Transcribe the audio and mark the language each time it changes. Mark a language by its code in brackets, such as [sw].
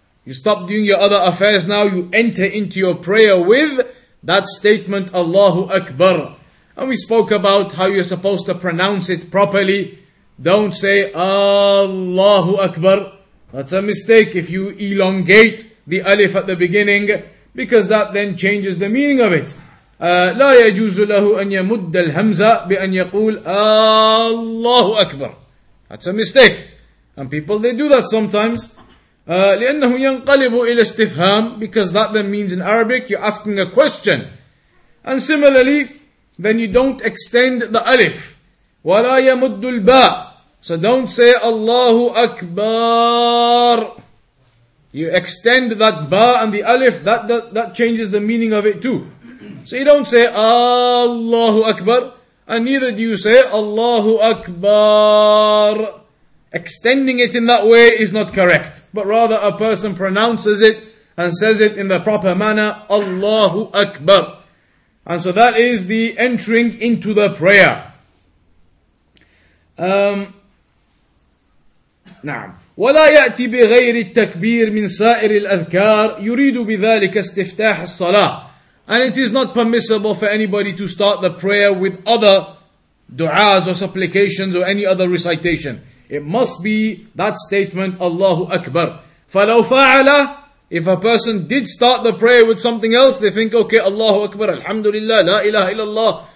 [en] You stop doing your other affairs now, you enter into your prayer with that statement, Allahu Akbar. And we spoke about how you're supposed to pronounce it properly. Don't say, Allahu Akbar. That's a mistake if you elongate the alif at the beginning, because that then changes the meaning of it. [ar] لا يجوز له أن يمد الهمزة بأن يقول الله أكبر. [en] That's a mistake. And people, they do that sometimes. [ar] لأنه ينقلب إلى استفهام, [en] because that then means in Arabic, you're asking a question. And similarly, then you don't extend the alif. [ar] ولا يمد الباء. [en] So don't say الله أكبر. You extend that ba and the alif, that changes the meaning of it too. So you don't say Allahu Akbar, and neither do you say Allahu Akbar. Extending it in that way is not correct. But rather a person pronounces it and says it in the proper manner, Allahu Akbar. And so that is the entering into the prayer. [ar] Na'am. ولا يأتي بغير التكبير من سائر الأذكار يريد بذلك استفتاح الصلاة. [en] And it is not permissible for anybody to start the prayer with other du'as or supplications or any other recitation. It must be that statement, Allahu Akbar. [ar] فَلَوْ فَعَلَ, [en] if a person did start the prayer with something else, they think, okay, Allahu Akbar, Alhamdulillah, La ilaha illallah.